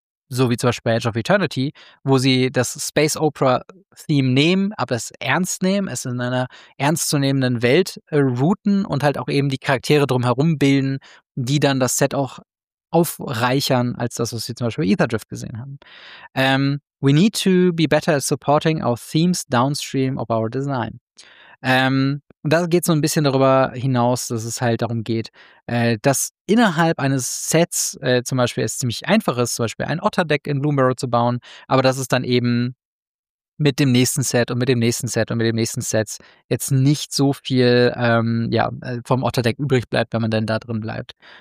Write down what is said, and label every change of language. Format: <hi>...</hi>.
<de>So wie zum Beispiel Edge of Eternity, wo sie das Space Opera-Theme nehmen, aber es ernst nehmen, es in einer ernstzunehmenden Welt routen und halt auch eben die Charaktere drumherum bilden, die dann das Set auch aufreichern, als das, was wir zum Beispiel bei Aether Drift gesehen haben.</de> <en>We need to be better at supporting our themes downstream of our design.</en> <de>Und da geht es so ein bisschen darüber hinaus, dass es halt darum geht, dass innerhalb eines Sets zum Beispiel es ziemlich einfach ist, zum Beispiel ein Otter-Deck in Bloomborough zu bauen, aber dass es dann eben mit dem nächsten Set und mit dem nächsten Set und mit dem nächsten Set jetzt nicht so viel vom Otter-Deck übrig bleibt, wenn man dann da drin bleibt.</de>